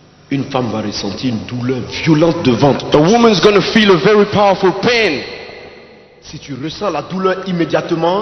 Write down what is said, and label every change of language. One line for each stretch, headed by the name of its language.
French: Une femme va ressentir une douleur violente de ventre.
English: A woman is going to feel a very powerful pain.
French: Si tu ressens la douleur immédiatement,